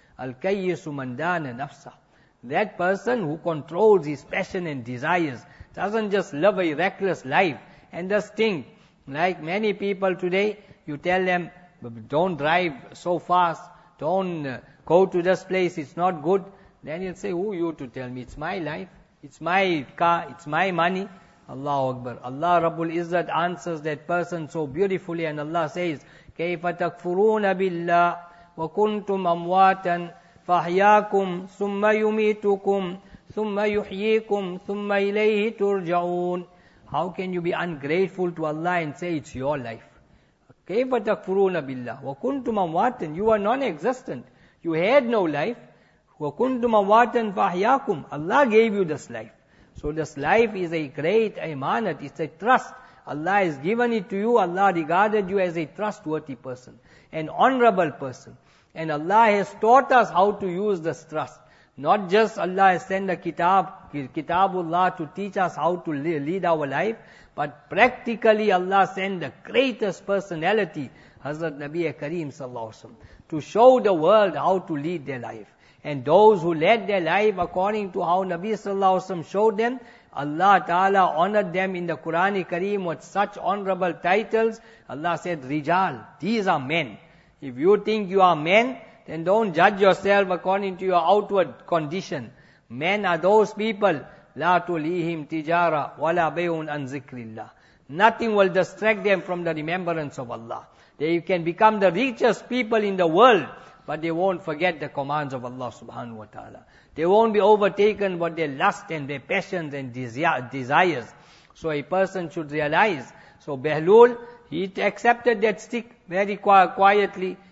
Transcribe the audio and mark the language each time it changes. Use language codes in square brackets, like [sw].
[ar] Al-kayyisu man dana nafsa. [en] That person who controls his passion and desires, doesn't just live a reckless life and just think Like many people today, you tell them, don't drive so fast, don't go to this place, it's not good. Then you'll say, who are you to tell me? It's my life, it's my car, it's my money. Allahu Akbar. Allah Rabbul Izzat answers that person so beautifully, and Allah says, [ar] كَيْفَ تَكْفُرُونَ بِاللَّهِ وَكُنْتُمْ أَمْوَاتًا فَحْيَاكُمْ ثُمَّ يُمِيتُكُمْ ثُمَّ يُحْيِيكُمْ ثُمَّ إِلَيْهِ تُرْجَعُونَ. [en] How can you be ungrateful to Allah and say it's your life? [ar] كَيْفَ تَكْفُرُونَ بِاللَّهِ وَكُنْتُمْ أَمْوَاتًا. [en] You are non-existent. You had no life. [ar] وَكُنْتُمْ أَمْوَاتًا فَحْيَاكُمْ. [en] Allah gave you this life. So this life is a great amanat. It's a trust. Allah has given it to you. Allah regarded you as a trustworthy person, an honorable person. And Allah has taught us how to use this trust. Not just Allah has sent a kitab, Kitabullah, to teach us how to lead our life, but practically Allah sent the greatest personality, Hazrat Nabi Kareem Sallallahu Alaihi Wasallam, to show the world how to lead their life. And those who led their life according to how Nabi Sallallahu Alaihi Wasallam showed them, Allah Ta'ala honored them in the Quran Kareem with such honorable titles. Allah said, Rijal, these are men. If you think you are men, then don't judge yourself according to your outward condition. Men are those people, [ar] لا تُلِيهِمْ تِجَارَ وَلَا بَيْهُنْ أَنْ ذِكْرِ اللَّهِ. [en] Nothing will distract them from the remembrance of Allah. They can become the richest people in the world, but they won't forget the commands of Allah subhanahu wa ta'ala. They won't be overtaken by their lust and their passions and desires. So a person should realize. So Behlul, he accepted that stick very quietly.